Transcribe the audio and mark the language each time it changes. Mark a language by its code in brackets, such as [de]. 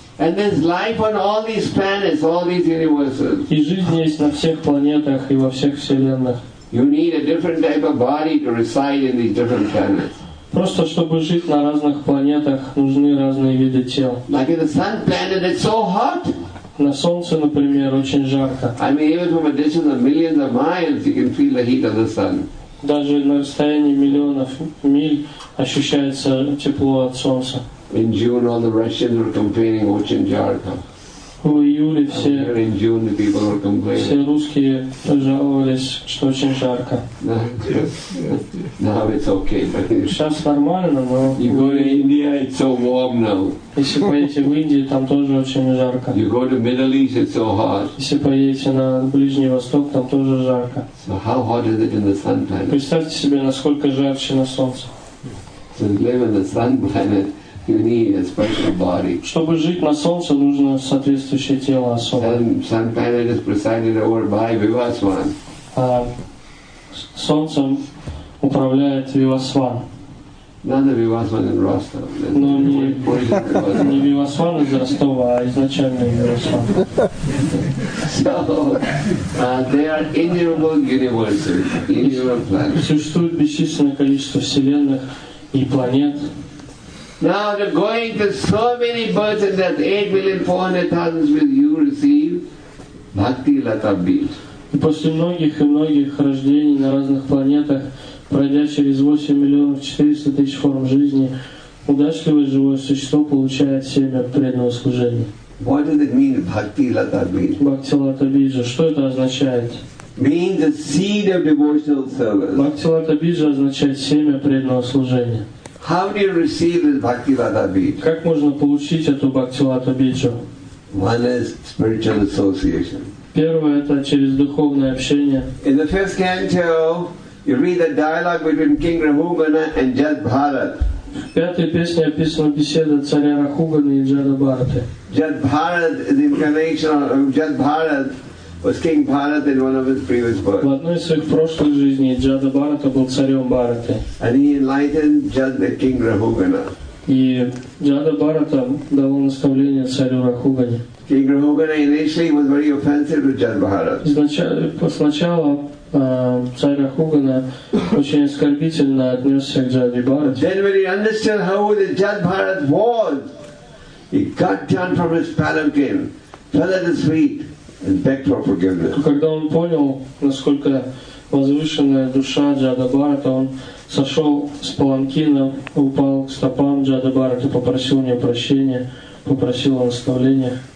[en] And there's life on all these planets, all these universes. [ru] И жизнь есть на всех планетах и во всех вселенных. [en] You need a different type of body to reside in these different planets. [ru] Просто чтобы жить на разных планетах, нужны разные виды тел. [en] Like in the sun planet, it's so hot. [ru] На солнце, например, очень жарко. [en] I mean, even from a distance of millions of miles, you can feel the heat of the sun. [ru] Даже на расстоянии миллионов миль ощущается тепло от солнца. [en] In June, all the Russians were complaining, [ru] очень жарко. В июле все, [en] in June, the people were complaining. [ru] Все русские жаловались, что очень жарко. [en] Now it's okay, but [ru] сейчас нормально, но [en] you go to India, it's so warm now. [ru] Если поедете в Индию, там тоже очень жарко. [en] You go to Middle East, it's so hot. [ru] Если поедете на Ближний Восток, там тоже жарко. [en] So how hot is it in the sun planet? [ru] Представьте себе, насколько жарче на солнце. [en] So live in the sun planet. You need a special body. [ru] Чтобы жить на солнце, нужно соответствующее тело особое. [en] And sun planet is presided over by Vivasvan. [ru] Солнцем управляет Vivasvan. [en] Not the Vivasvan in Rostov. [ru] Но не Vivasvan из Ростова, а изначально Vivasvan. [en] So they are innumerable universes, innumerable planets. [ru] Существует бесчисленное количество вселенных и планет. [en] Now they're going to so many births and deaths, 8,400,000 will you receive Bhakti Lata Beach. [ru] И после многих и многих рождений на разных планетах, пройдя через 8,400,000 форм жизни, удачливое живое существо получает семя преданного служения. [en] What does it mean, Bhakti Lata Beach? [ru] Bhakti Lata Beach, что это означает? [en] Means the seed of devotional service. [ru] Bhakti Lata Beach означает семя преданного служения. [en] How do you receive this Bhakti Lata Bija? [ru] Как можно получить эту Бхакти Лата Биджу? [en] One is spiritual association. [ru] Первое это через духовное общение. [en] In the first canto, you read the dialogue between King Rahugana and Jad Bharat. [ru] В пятой песне описана беседа царя Рахугана и Джада Бхараты. [en] Jad Bharat is the incarnation of Jad Bharat. Was King Bharat in one of his previous births? [ru] В одной из своих прошлых жизней Джада Бхарата был царем Бхараты. [en] And he enlightened Jada, King Rahugana. [ru] И Джада Бхарата дал наставление царю Рахугане. [en] King Rahugana initially was very offensive to Jada Bharat. [ru] Сначала царь Рахугана очень оскорбительно отнесся к Джаде Бхарате. [en] Then when he understood how the Jada Bharat was, he got down from his palanquin, fell at his feet. [ru] Когда он понял, насколько возвышенная душа Джада Бхарата, он сошел с паланкина, упал к стопам Джада Бхарата, попросил у него прощения, попросил о наставлении.